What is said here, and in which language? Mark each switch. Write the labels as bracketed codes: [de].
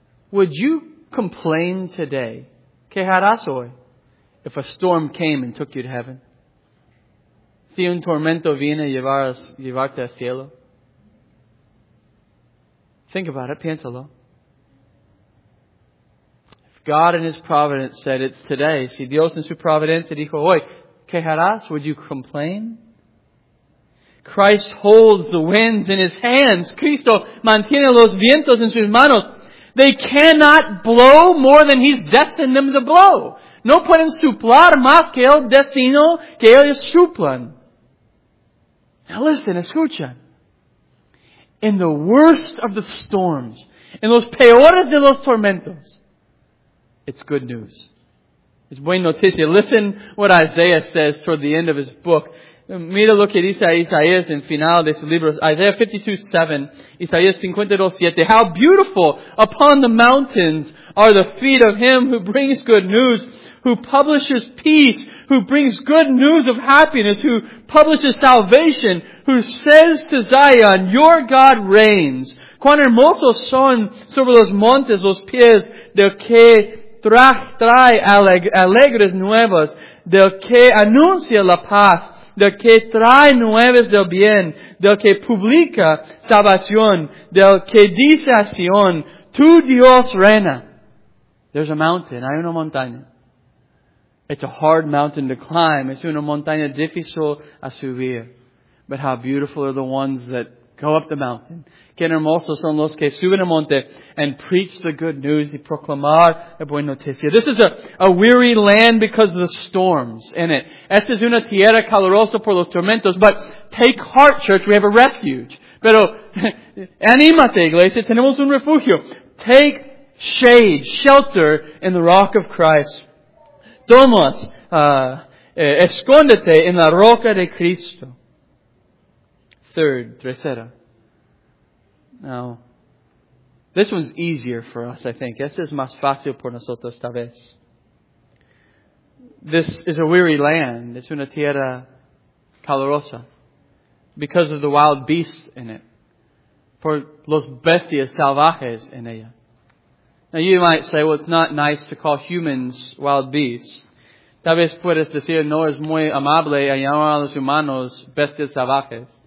[en] Would you complain today, [es] que harás hoy, [en] if a storm came and took you to heaven? [es] Si un tormento viene llevarte al cielo? [en] Think about it. [es] Piénsalo. [en] God in His providence said, it's today. [es] Si Dios en su providencia dijo hoy, ¿qué harás? [en] Would you complain? Christ holds the winds in His hands. [es] Cristo mantiene los vientos en sus manos. [en] They cannot blow more than He's destined them to blow. [es] No pueden soplar más que el destino que ellos soplan. [en] Now listen, [es] escucha. [en] In the worst of the storms, in [es] los peores de los tormentos, [en] it's good news. It's [es] buena noticia. [en] Listen what Isaiah says toward the end of his book. [es] Mira lo que dice Isaías en final de su libro. [en] Isaiah 52:7. Isaías 52:7. How beautiful upon the mountains are the feet of him who brings good news, who publishes peace, who brings good news of happiness, who publishes salvation, who says to Zion, your God reigns. [es] Cuán hermosos son sobre los montes los pies del que trae alegres nuevas, del que anuncia la paz, del que trae nuevas del bien, del que publica salvación, del que dice a Sion, tu Dios reina. [en] There's a mountain, [es] hay una montaña. [en] It's a hard mountain to climb. [es] Es una montaña difícil a subir. [en] But how beautiful are the ones that go up the mountain. [es] Qué hermosos son los que suben el monte [en] and preach the good news [es] y proclamar la buena noticia. [en] This is a weary land because of the storms in it. [es] Esta es una tierra calurosa por los tormentos. [en] But take heart, church. We have a refuge. [es] Pero anímate, iglesia. Tenemos un refugio. [en] Take shade, shelter in the rock of Christ. [es] Tomas, escóndete en la roca de Cristo. [en] Third, [es] tercera. [en] Now, this one's easier for us, I think. [es] Este es más fácil por nosotros, tal vez. [en] This is a weary land. [es] Es una tierra calurosa. [en] Because of the wild beasts in it. [es] Por los bestias salvajes en ella. [en] Now, you might say, well, it's not nice to call humans wild beasts. [es] Tal vez puedes decir, no es muy amable a llamar a los humanos bestias salvajes.